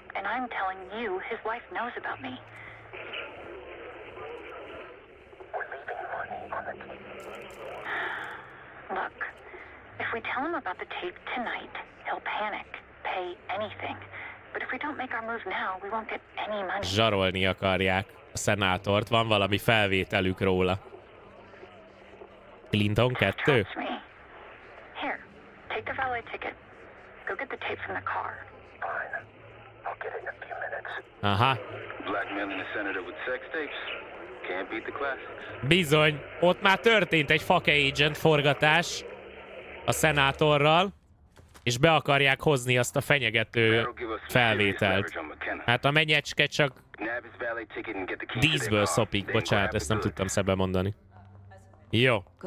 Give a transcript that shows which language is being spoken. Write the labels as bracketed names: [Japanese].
[English] And I'm telling you, his wife knows about me. We're leaving money on the table. Look. If we tell him about the tape tonight, he'll panic, pay anything. But if we don't make our move now, we won't get any money. [Hungarian] Zsarolni akarják a szenátort. Van valami felvételük róla. [English] Clinton 2? Trust me. Here, take the valet ticket. Go get the tape from the car. Fine. I'll get it in a few minutes. Aha. Black man in the senator with sex tapes. Can't beat the classics. [Hungarian] Bizony, ott már történt egy [English] fake agent [Hungarian] forgatás. A szenátorral. és be akarják hozni azt a fenyegető felvételt. Hát a menyecske csak díszből szopik. Bocsánat, ezt nem tudtam szebben mondani. Jó.